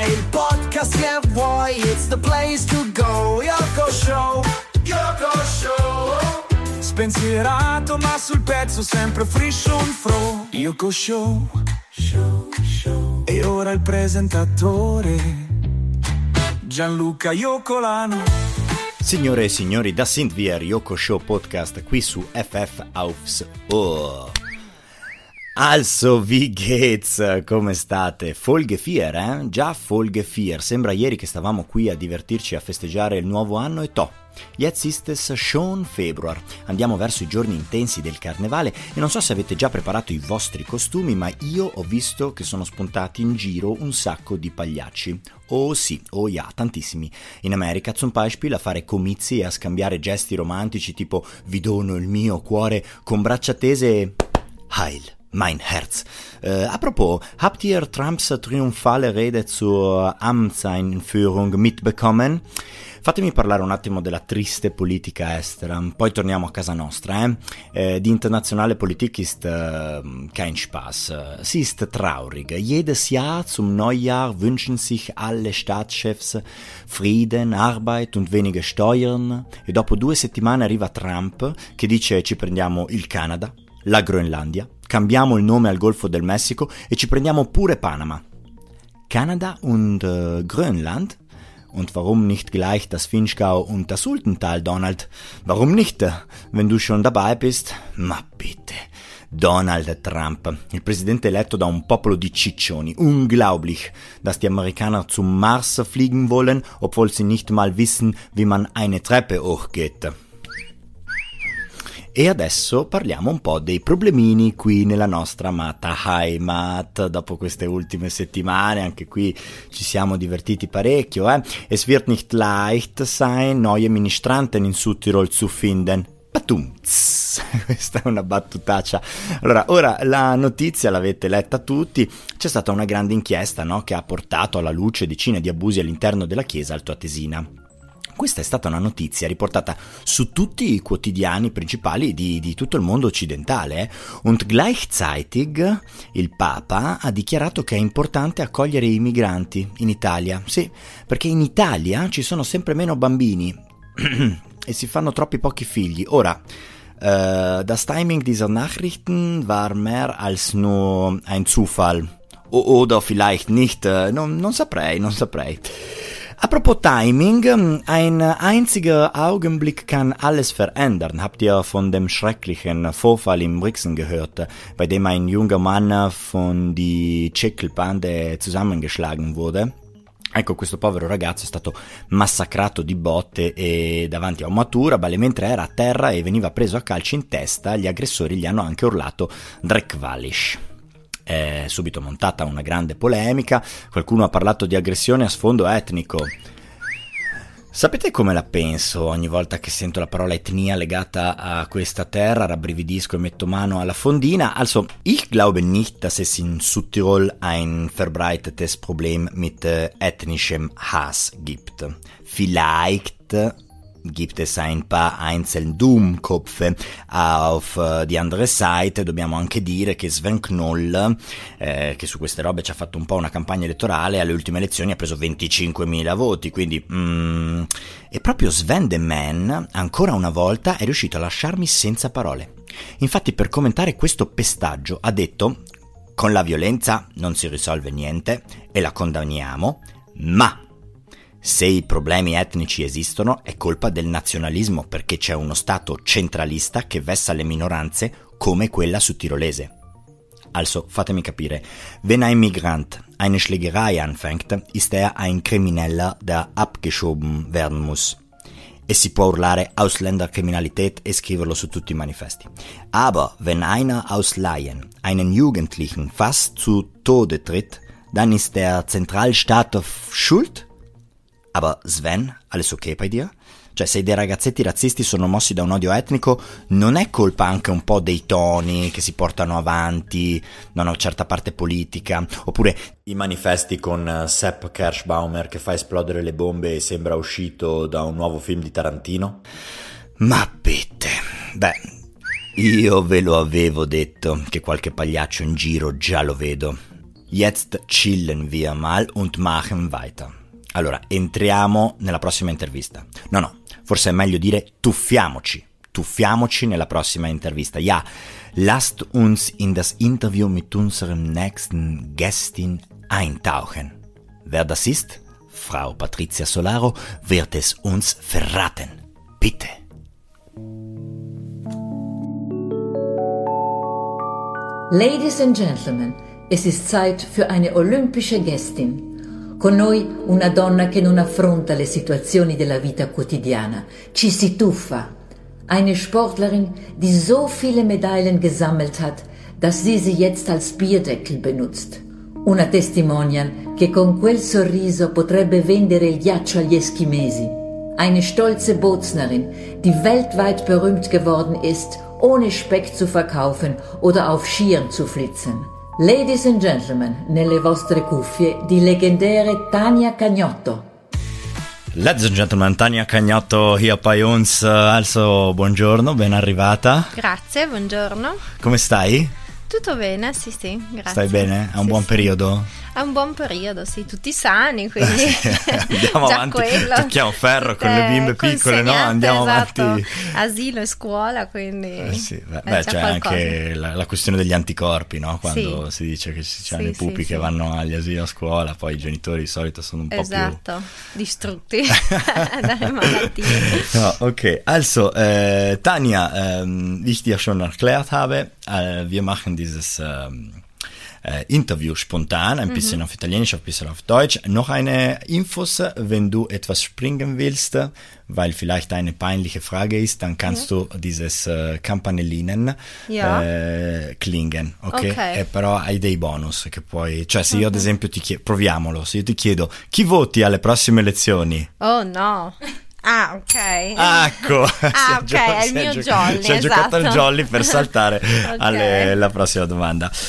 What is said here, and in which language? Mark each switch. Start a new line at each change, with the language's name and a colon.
English: podcast get why it's the place to go. Yoko Show, Yoko Show.
Italian: Spensierato ma sul pezzo, sempre
English: fresh on fro.
Italian: Yoko Show, show, show. E ora il presentatore Gianluca Iocolano. Signore e signori, da Sint Vier, Yoko Show Podcast, qui su FF Aufs. Oh.
German: Also, wie geht's?
Italian: Come state?
German: Folge Vier, eh?
Italian: Già
German: Folge Vier.
Italian: Sembra ieri che stavamo qui a divertirci a festeggiare il nuovo anno e toh.
German: Jetzt ist es schon Februar.
Italian: Andiamo verso i giorni intensi del carnevale e non so se avete già preparato i vostri costumi, ma io ho visto che sono spuntati in giro un sacco di pagliacci. Oh sì,
German: oh ja,
Italian: tantissimi. In America
German: zum Beispiel
Italian: a fare comizi e a scambiare gesti romantici tipo vi dono il mio cuore con braccia tese e
German: Heil, mein Herz. Apropos, habt ihr Trumps triumphale Rede zur Amtseinführung mitbekommen?
Italian: Fatemi parlare un attimo della triste politica estera, poi torniamo a casa nostra,
German: Die internationale Politik ist kein Spaß. Sie ist traurig. Jedes Jahr zum Neujahr wünschen sich alle Staatschefs Frieden, Arbeit und weniger Steuern.
Italian: E dopo due settimane arriva Trump che dice ci prendiamo il Canada, la Groenlandia, cambiamo il nome al Golfo del Messico e ci prendiamo pure Panama.
German: Canada und Grönland? Und warum nicht gleich das Finchgau und das Sultental, Donald? Warum nicht, wenn du schon dabei bist? Ma bitte,
Italian: Donald Trump, il presidente eletto da un popolo di ciccioni.
German: Unglaublich, dass die Amerikaner zum Mars fliegen wollen, obwohl sie nicht mal wissen, wie man eine Treppe hochgeht.
Italian: E adesso parliamo un po' dei problemini qui nella nostra amata Heimat. Dopo queste ultime settimane, anche qui ci siamo divertiti parecchio, eh?
German: Es wird nicht leicht sein, neue Ministranten in Südtirol zu finden. Patumts!
Italian: Questa è una battutaccia. Allora, ora la notizia l'avete letta tutti. C'è stata una grande inchiesta, no? Che ha portato alla luce decine di abusi all'interno della chiesa altoatesina. Questa è stata una notizia riportata su tutti i quotidiani principali di tutto il mondo occidentale.
German: Und gleichzeitig
Italian: il Papa ha dichiarato che è importante accogliere i migranti in Italia. Sì, perché in Italia ci sono sempre meno bambini e si fanno troppi pochi figli. Ora,
German: das Timing dieser Nachrichten war mehr als nur ein Zufall. Oder vielleicht nicht,
Italian: non saprei.
German: Apropos Timing, ein einziger Augenblick kann alles verändern. Habt ihr von dem schrecklichen Vorfall in Brixen gehört, bei dem ein junger Mann von die Ceckelbande zusammengeschlagen wurde?
Italian: Ecco, questo povero ragazzo è stato massacrato di botte e davanti a un maturabale mentre era a terra e veniva preso a calci in testa, gli aggressori gli hanno anche urlato Dreckwallisch. È subito montata una grande polemica, qualcuno ha parlato di aggressione a sfondo etnico. Sapete come la penso ogni volta che sento la parola etnia legata a questa terra, rabbrividisco e metto mano alla fondina?
German: Also, ich glaube nicht, dass es in Südtirol ein verbreitetes Problem mit ethnischem Hass gibt. Vielleicht gibt es ein paar einzelne Dummköpfe auf die andere Seite.
Italian: Dobbiamo anche dire che Sven Knoll, che su queste robe ci ha fatto un po' una campagna elettorale, alle ultime elezioni ha preso 25.000 voti, quindi e proprio Sven the Man ancora una volta è riuscito a lasciarmi senza parole. Infatti, per commentare questo pestaggio ha detto: con la violenza non si risolve niente e la condanniamo, ma se i problemi etnici esistono, è colpa del nazionalismo, perché c'è uno stato centralista che vessa le minoranze come quella sudtirolese.
German: Also,
Italian: fatemi capire.
German: Wenn ein Migrant eine Schlägerei anfängt, ist er ein Krimineller, der abgeschoben werden muss.
Italian: E si può urlare
German: Ausländerkriminalität
Italian: e scriverlo su tutti i manifesti.
German: Aber wenn einer aus Laien einen Jugendlichen fast zu Tode tritt, dann ist der Zentralstaat schuld? Aber Sven, alles okay bei dir?
Italian: Cioè, se dei ragazzetti razzisti sono mossi da un odio etnico, non è colpa anche un po' dei toni che si portano avanti, da una certa parte politica? Oppure i manifesti con Sepp Kerschbaumer che fa esplodere le bombe e sembra uscito da un nuovo film di Tarantino?
German: Ma bitte,
Italian: beh, io ve lo avevo detto che qualche pagliaccio in giro già lo vedo.
German: Jetzt chillen wir mal und machen weiter.
Italian: Allora, entriamo nella prossima intervista. No, no, forse è meglio dire tuffiamoci nella prossima intervista.
German: Ja, lasst uns in das Interview mit unserem nächsten Gästin eintauchen. Wer das ist? Frau Patrizia Solaro wird es uns verraten. Bitte.
English: Ladies and Gentlemen,
German: es ist Zeit für eine olimpische Gästin.
Italian: Con noi una donna che non affronta le situazioni della vita quotidiana, ci si tuffa.
German: Eine Sportlerin, die so viele Medaillen gesammelt hat, dass sie sie jetzt als Bierdeckel benutzt.
Italian: Una Testimonial, che con quel sorriso potrebbe vendere il ghiaccio agli Eschimesi.
German: Eine stolze Bozenerin, die weltweit berühmt geworden ist, ohne Speck zu verkaufen oder auf Skiern zu flitzen.
English: Ladies and Gentlemen,
Italian: nelle vostre cuffie,
German: die legendäre
Italian: Tania Cagnotto.
English: Ladies and Gentlemen, Tania Cagnotto here
German: by uns. Also,
Italian: buongiorno, ben arrivata. Grazie, buongiorno. Come stai? Tutto bene, sì sì, grazie. Stai bene? È un buon periodo? È un buon periodo, sì, tutti sani, quindi andiamo avanti, quello. Tocchiamo ferro con le bimbe piccole, no? Andiamo avanti. Asilo e scuola, quindi sì. Beh, c'è qualcosa. Anche la questione degli anticorpi, no? Quando sì. Si dice che ci sono le pupi che vanno agli asili a scuola, poi i genitori di solito sono un po' esatto. Più... Esatto, distrutti dalle malattie. No, ok,
German: also, Tania, ich dir schon erklärt habe, wir machen dieses... Interview spontan, ein bisschen auf Italienisch, ein bisschen auf Deutsch. Noch eine Infos, wenn du etwas springen willst, weil vielleicht eine peinliche Frage ist, dann kannst du dieses Campanellinen klingen, okay?
Italian: Però hai dei bonus che puoi, cioè se io ad esempio ti chiedo, proviamolo, se io ti chiedo chi voti alle prossime elezioni? Oh no! Ah, ok. Ecco. Ah, ok, è il mio jolly, esatto. Si è giocato il jolly per saltare alla prossima domanda.